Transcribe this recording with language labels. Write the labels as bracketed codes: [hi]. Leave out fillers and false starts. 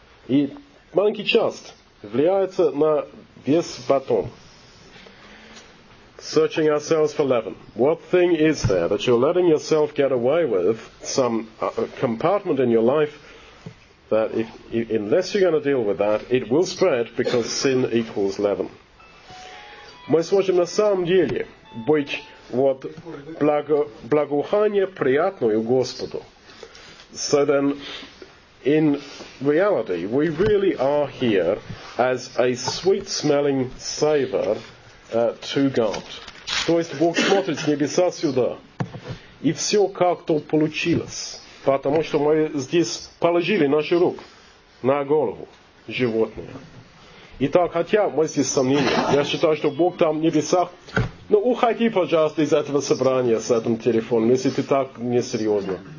[ru] И маленький част влияется на вес потом. [en] Searching ourselves for leaven. What thing is there that you're letting yourself get away with, some compartment in your life, that if unless you're going to deal with that, it will spread because sin equals leaven. [ru] Мы сможем на самом деле быть вот благоухание приятное Господу. [en] So then, in reality, we really are here as a sweet-smelling savor to God. [ru] То есть Бог смотрит с небеса сюда, и все как-то получилось. Потому что мы здесь положили наши руки на голову животные. Итак, хотя мы здесь сомнения, я считаю, что Бог там в небесах. Ну, уходи, пожалуйста, из этого собрания с этим телефоном, если ты так несерьезно.